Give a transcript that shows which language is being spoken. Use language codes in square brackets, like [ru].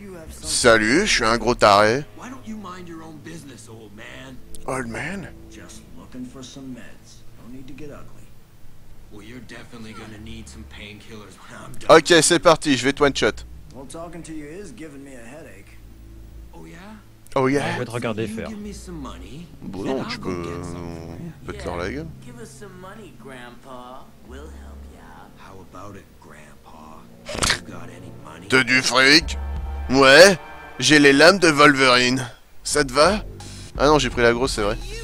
[fr] Salut, je suis un gros taré. [en] Old man? Just looking for some meds. No need to get ugly. Well, you're definitely gonna need some painkillers when I'm done. [fr] Okay, c'est parti, je vais te one shot. [en] Well, talking to you is giving me a headache. Oh yeah? Oh yeah? [fr] Je vais te regarder faire. [en] Give me some [fr] money. Bon, non, tu peux. Peut-être leur leg. [en] Give us some money, Grandpa. We'll help you out. How about it, Grandpa? You got any money? [fr] T'as du fric? Ouais, j'ai les lames de Wolverine. Ça te va? Ah non, j'ai pris la grosse, c'est vrai.